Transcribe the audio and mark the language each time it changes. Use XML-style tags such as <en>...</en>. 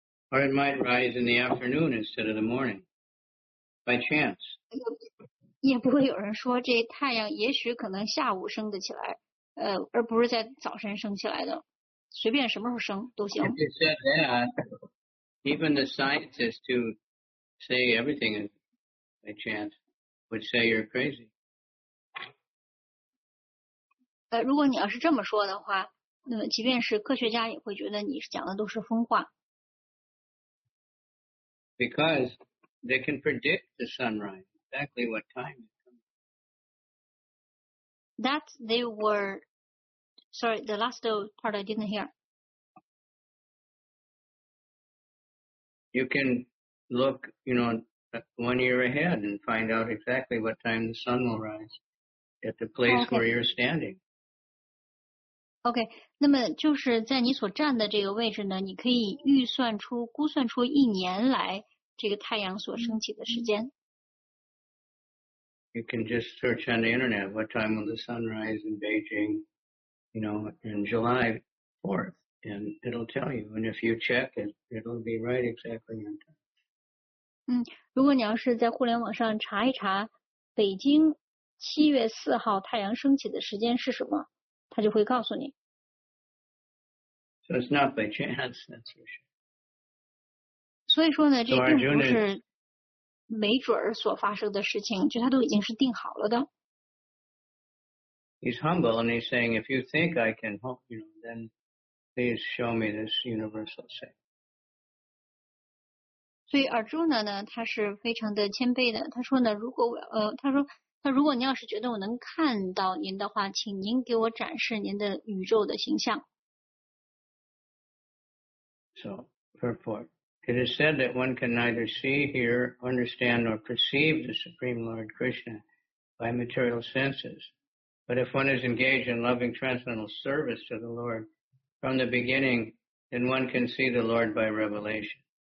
<en>Or it might rise in the afternoon instead of the morning. By chance.</en> <zh>也不会有人说这太阳也许可能下午升得起来，而不是在早晨升起来的，随便什么时候升都行。</zh> <en>If you said that, even the scientists who say everything is by chance would say you're crazy.</en> <zh>如果你要是这么说的话，那么即便是科学家也会觉得你讲的都是疯话。</zh> <en>Because they can predict the sunrise. Exactly what time it comes. That they were. Sorry, the last part I didn't hear. You can look, you know, 1 year ahead and find out exactly what time the sun will rise at the place where you're standing. Okay,</en> <zh>那么就是在你所站的这个位置呢，你可以预算出、估算出一年来这个太阳所升起的时间。</zh> <en>You can just search on the internet what time will the sun rise in Beijing, you know, in July 4th, and it'll tell you. And if you check it, it'll be right exactly on time.</en> <zh>如果你要是在互联网上查一查北京7月4号太阳升起的时间是什么，它就会告诉你。</zh> <en>So it's not by chance, that's for sure.</en> <zh>所以说呢，这并不是没准儿所发生的事情，就他都已经是定好了的。</zh> <en>He's humble and he's saying, if you think I can help you, know, then please show me this universal thing.</en> <zh>所以 Arjuna 呢，他是非常的谦卑的。他说呢，如果他如果你要是觉得我能看到您的话，请您给我展示您的宇宙的形象。</zh> <en>So, purport. It is said that one can neither see, hear, understand, nor perceive the Supreme Lord Krishna by material senses. But if one is engaged in loving transcendental service to the Lord from the beginning, then one can see the Lord by revelation.</en>